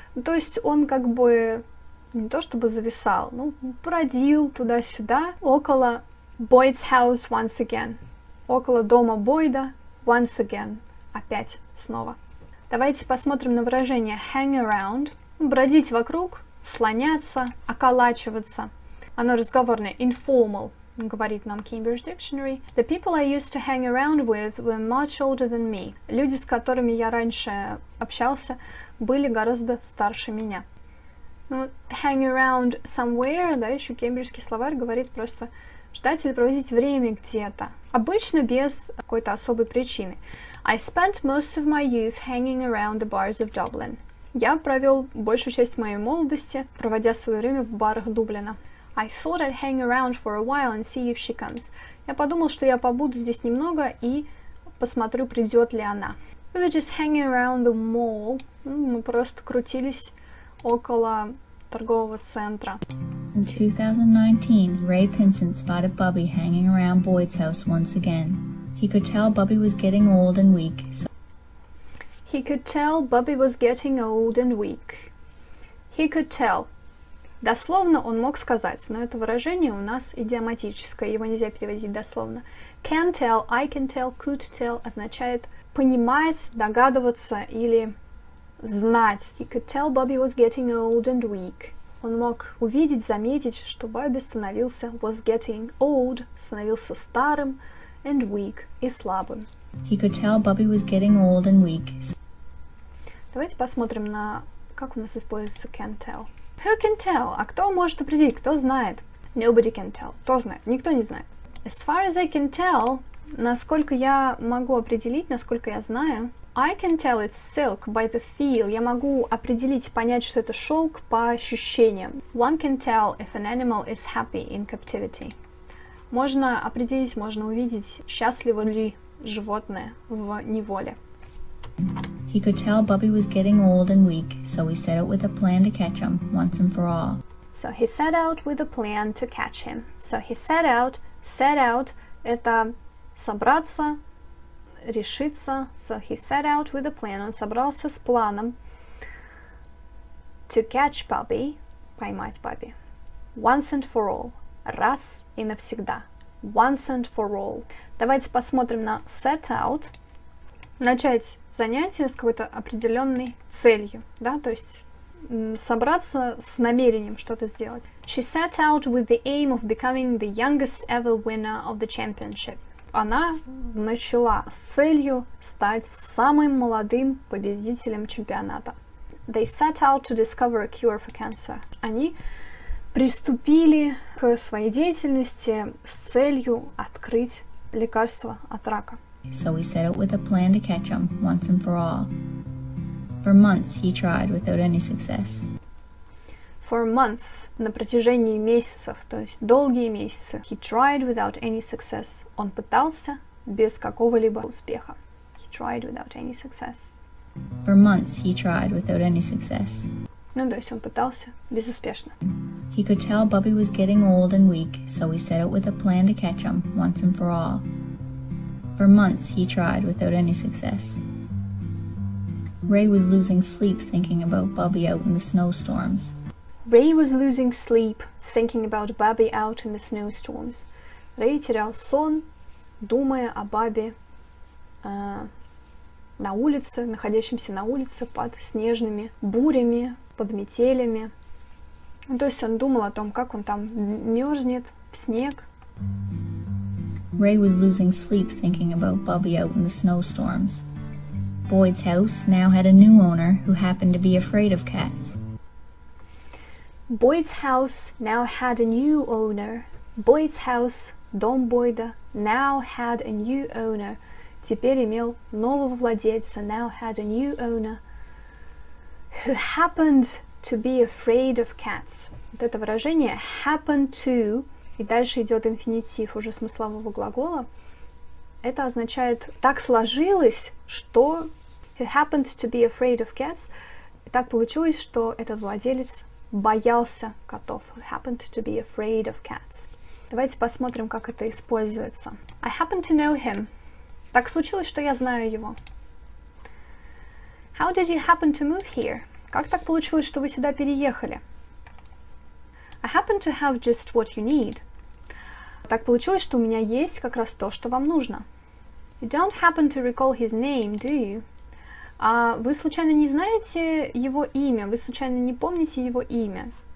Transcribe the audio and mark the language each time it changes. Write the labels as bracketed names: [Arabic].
[Russian] То есть он как бы не то чтобы зависал, ну, бродил туда-сюда, около [English] Boyd's house once again. [Russian] Около дома Бойда [English] once again. [Russian] Опять, снова. Давайте посмотрим на выражение hang around. Бродить вокруг, слоняться, околачиваться. Оно разговорное, informal, говорит нам Cambridge Dictionary. [English] The people I used to hang around with were much older than me. [Russian] Люди, с которыми я раньше общался, были гораздо старше меня. Ну, [English] hang around somewhere, [Russian] да, еще кембриджский словарь говорит просто ждать или проводить время где-то. Обычно без какой-то особой причины. [English] I spent most of my youth hanging around the bars of Dublin. [Russian] Я провел большую часть моей молодости, проводя свое время в барах Дублина. [English] I thought I'd hang around for a while and see if she comes. [Russian] Я подумал, что я побуду здесь немного и посмотрю, придет ли она. [English] We were just hanging around the mall. [Russian] Мы просто крутились около торгового центра. [English] In 2019, Ray Pinson spotted Bobby hanging around Boyd's house once again. He could tell Bobby was getting old and weak. So... He could tell Bobby was getting old and weak. He could tell. [Russian] Дословно он мог сказать, но это выражение у нас идиоматическое, его нельзя переводить дословно. [English] Can tell, I can tell, could tell [Russian] означает понимать, догадываться или знать. [English] He could tell Bobby was getting old and weak. [Russian] Он мог увидеть, заметить, что Бобби становился [English] was getting old, [Russian] становился старым [English] and weak [Russian] и слабым. [English] He could tell Bobby was getting old and weak. [Russian] Давайте посмотрим на как у нас используется can tell. [English] Who can tell? [Russian] А кто может определить? Кто знает? [English] Nobody can tell. [Russian] Кто знает? Никто не знает. [English] As far as I can tell, [Russian] насколько я могу определить, насколько я знаю. [English] I can tell it's silk by the feel. [Russian] Я могу определить, понять, что это шелк по ощущениям. [English] One can tell if an animal is happy in captivity. [Russian] Можно определить, можно увидеть, счастливо ли животное в неволе. [English] He could tell Bobby was getting old and weak, so he set out with a plan to catch him once and for all. So he set out with a plan to catch him. So he set out, set out, [Russian] это собраться, решиться. [English] So he set out with a plan. [Russian] Он собрался с планом [English] to catch Bobby, [Russian] поймать [English] Bobby, once and for all, [Russian] раз и навсегда. [English] Once and for all. [Russian] Давайте посмотрим на [English] set out. [Russian] Начать занятие с какой-то определенной целью, да, то есть собраться с намерением что-то сделать. [English] She set out with the aim of becoming the youngest ever winner of the championship. [Russian] она начала с целью стать самым молодым победителем чемпионата. [English] They set out to discover a cure for cancer. [Russian] Они приступили к своей деятельности с целью открыть лекарство от рака. [English] So he set out with a plan to catch him once and for all. For months he tried without any success. For months, [Russian] на протяжении месяцев, то есть долгие месяцы, [English] he tried without any success. [Russian] Он пытался без какого-либо успеха. [English] He tried without any success. For months he tried without any success. [Russian] Ну, то есть он пытался безуспешно. [English] He could tell Bubby was getting old and weak, so he set out with a plan to catch him once and for all. For months he tried without any success. Ray was losing sleep thinking about Bubby out in the snowstorms. Ray was losing sleep thinking about Bubby out in the snowstorms. [Russian] Ray терял сон, думая о Бабби на улице, находящемся на улице под снежными бурями, под метелями. То есть он думал о том, как он там мерзнет в снег. [English] Ray was losing sleep thinking about Bubby out in the snowstorms. Boyd's house now had a new owner who happened to be afraid of cats. Boyd's house now had a new owner. Boyd's house, [Russian] дом Бойда, [English] now had a new owner. [Russian] Теперь имел нового владельца, [English] now had a new owner. Who happened to be afraid of cats. [Russian] Вот это выражение happened to, и дальше идет инфинитив уже смыслового глагола. Это означает так сложилось, что [English] he happened to be afraid of cats. [Russian] И так получилось, что этот владелец боялся котов. [English] He happened to be afraid of cats. [Russian] Давайте посмотрим, как это используется. [English] I happen to know him. [Russian] Так случилось, что я знаю его. [English] How did you happen to move here? [Russian] Как так получилось, что вы сюда переехали? [English] I happen to have just what you need. [Russian] Так получилось, что у меня есть как раз то, что вам нужно. [English] You don't happen to recall his name, do you? [Russian] А вы случайно не знаете его имя? Вы случайно не помните его имя?